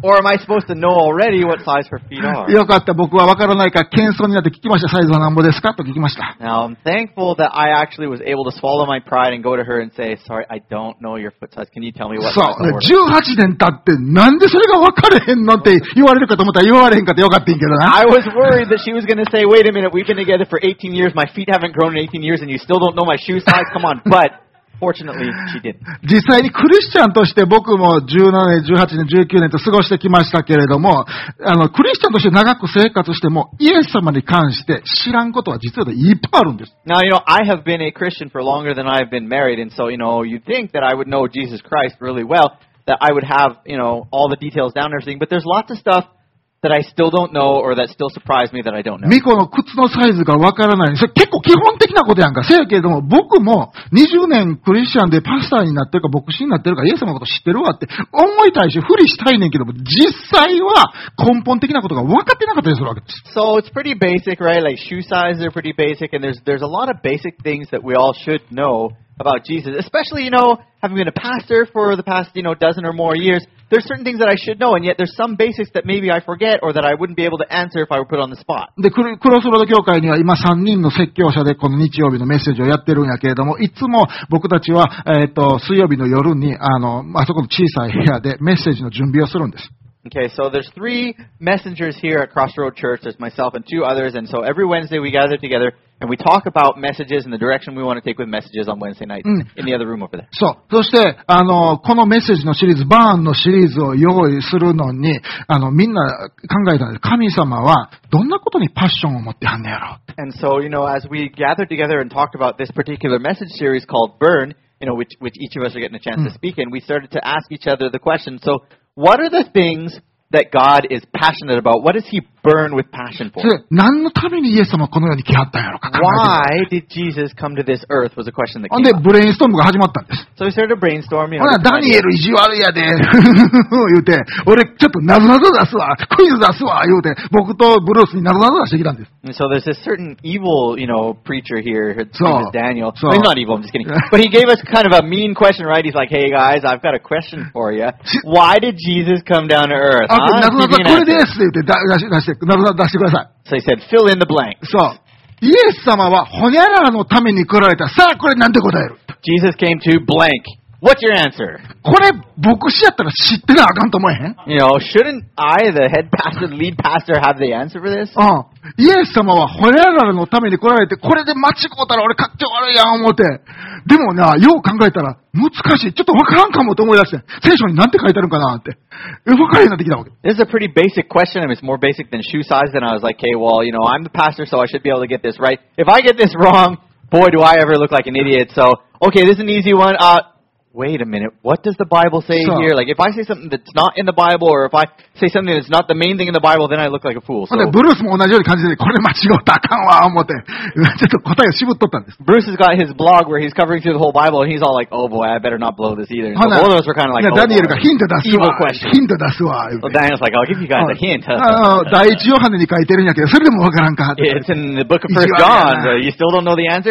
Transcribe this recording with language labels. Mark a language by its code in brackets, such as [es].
[en] Or am I supposed to know already what size her feet are? [ja] よかった、僕はわからないから謙遜になって聞きました。サイズは何ぼですか?と聞きました。 [en] Now, I'm thankful that I actually was able to swallow my pride and go to her and say, sorry, I don't know your foot size. Can you tell me what size you are? [ja] 18年経ってなんでそれがわかれへんのって言われるかと思ったら言われへんかってよかったんけどな。 [en] I was worried that she was going to say, wait a minute, we've been together for 18 years. My feet haven't grown in 18 years and you still don't know my shoe size? Come on. But fortunately, she did. [ja] 実際にクリスチャンとして僕も17年、18年、19年と過ごしてきましたけれども、クリスチャンとして長く生活しても、イエス様に関して知らんことは実はいっぱいあるんです。 [en] Now, you know, I have been a Christian for longer than I have been married, and so, you know, you'd think that I would know Jesus Christ really well, that I would have, you know, all the details down and everything, but there's lots of stuff. That I still don't know, or that still surprised me that I don't know. [ja] ミコの靴のサイズがわからない。それ結構基本的なことやんか。せやけれども、僕も20年クリスチャンでパスターになってるか牧師になってるかイエス様のこと知ってるわって思いたいし、不利したいねんけども、実際は根本的なことが分かってなかったりするわけです。 [en] So it's pretty basic, right? Like shoe sizes are pretty basic, and there's a lot of basic things that we all should know. About Jesus, especially, you know, having been a pastor for the past, you know, dozen or more years, there's certain things that I should know, and yet there's some basics that maybe I forget or that I wouldn't be able to answer if I were put on the spot. [ja] で、クロスロード教会には今3人の説教者でこの日曜日のメッセージをやってるんやけれども、いつも僕たちは、水曜日の夜に、あそこの小さい部屋でメッセージの準備をするんです。 [en] Okay, so there's three messengers here at Crossroad Church. There's myself and two others, and so every Wednesday we gather together and we talk about messages and the direction we want to take with messages on Wednesday night in the other room over there. [ja] So, そしてこのメッセージのシリーズ、バーンのシリーズを用意するのにみんな考えたんです。神様はどんなことにパッションを持ってはんねやろう。 [en] And so, you know, as we gather together and talk about this particular message series called Burn, you know, which each of us are getting a chance to speak in, we started to ask each other the question. So. What are the things that God is passionate about? What is He burn with passion for. [ja] 何のためにイエス様はこの世に来はったんやろか。 [en] Why did Jesus come to this earth was a question that came [ja] で、ブレインストームが始まったんです。 [en] So he started a brainstorm. [ja] ほら、ダニエル意地悪いやで。言うて、俺ちょっとなぞなぞ出すわ。クイズ出すわ。言うて、僕とブルースになぞなぞ出してきたんです。 [en] And so there's a certain evil, you know, preacher here. His name is Daniel. So, he's not evil, I'm just kidding. But he gave us kind of a mean question, right? He's like, hey guys, I've got a question for you. Why did Jesus come down to earth? [ja] あ、なぞなぞこれですって言って、出してください。 [en] So he said, fill in the blank. [ja] そう。イエス様はホニャララのために来られた。さあ、これなんて答える？ [en] Jesus came to blank. What's your answer? [ja] これ、牧師やったら知ってなあかんと思えへん？ [en] You know, shouldn't I, the head pastor, lead pastor, have the answer for this? [ja] うん。イエス様はホニャララのために来られて、これで待ちこたら俺勝手悪いやん思って。でもな、よう考えたら難しい。ちょっとわからんかもと思い出して、聖書に何て書いてあるかなって。分かるようになってきたわけ。 [en] This is a pretty basic question. I mean, it's more basic than shoe size. And I was like, hey, well, you know, I'm the pastor, so I should be able to get this right. If I get this wrong, boy, do I ever look like an idiot. So, okay, this is an easy one. Wait a minute. What does the Bible say here? Like, if I say something that's not in the Bible, or if I say something that's not the main thing in the Bible, then I look like a fool. So, [ja] Bruce も同じように感じて、これ間違ったかんわ思って、ちょっと答えを絞っとったんです。 [en] Bruce has got his blog where he's covering through the whole Bible, and he's all like, "Oh boy, I better not blow this either." So both of us were kind of like, [ja] "Oh, Daniel がヒント出すわ。 [en] Evil question. [ja] ヒント出すわ。 [en] So Daniel's like, "I'll give you guys a hint." [ja] 第一ヨハネに書いてるんやけど、それでもわからんか。 [en] It's in the book of First John. So you still don't know the answer?